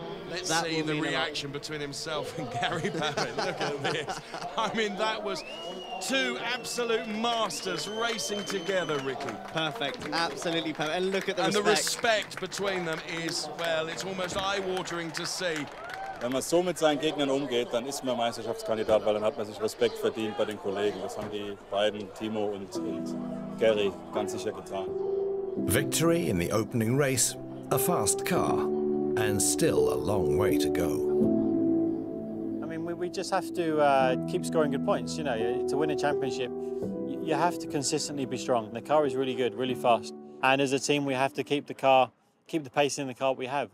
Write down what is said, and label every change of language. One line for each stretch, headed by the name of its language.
English: Let's that see the reaction between himself and Gary Paffett. Look at this. I mean, that was two absolute masters racing together, Ricky. Perfect. Absolutely perfect. And look at the and respect. And the respect between them is, well, it's almost eye-watering to see.
German: Wenn man so mit seinen Gegnern umgeht, dann ist man Meisterschaftskandidat, weil dann hat man sich Respekt verdient bei den Kollegen. Das haben die beiden, Timo und Gary, ganz sicher getan.
English: Victory in the opening race, a fast car, and still a long way to go. I mean, we just have to keep scoring good points. You know, to win a championship, you have to consistently be strong. The car is really good, really fast. And as a team, we have to keep the car, keep the pace in the car we have.